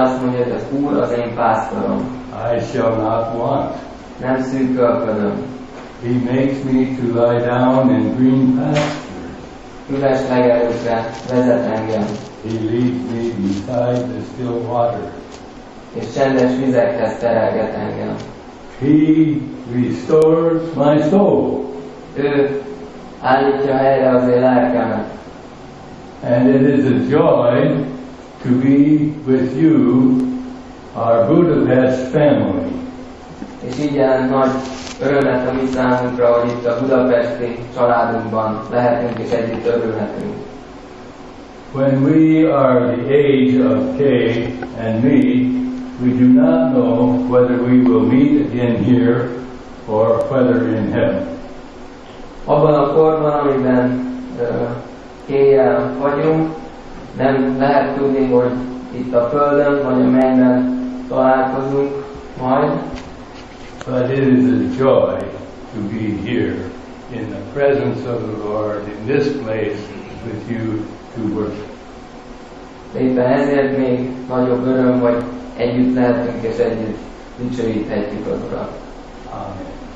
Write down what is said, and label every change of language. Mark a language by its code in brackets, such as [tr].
[hu] azt mondja, hogy az Úr az én pásztorom. [en] I shall not want. [hu] Nem szűkölködöm. [en] He makes me to lie down in green pastures. [hu] Üres legelőkre vezet engem. [en] He leads me beside the still water. [hu] És csendes vizekhez terelget engem. [en] He restores my soul. [hu] Ő állítja helyre az én lelkemet. [en] And it is a joy to be with you, our Budapest family. [hu] És így jelent nagy örömet a mi számunkra, hogy itt a budapesti családunkban lehetünk és együtt örülhetünk. [en] When we are the age of Kay and me, we do not know whether we will meet again here or whether in heaven. [hu] Abban a korban, amiben éjjel vagyunk, nem lehet tudni, hogy itt a földön vagy a mennyben találkozunk majd. [en] But it is a joy to be here in the presence of the Lord in this place with you to worship. [hu] Éppen ezért még nagyobb öröm, hogy együtt lehetünk és együtt dicsőíthetjük az Urat. Amen.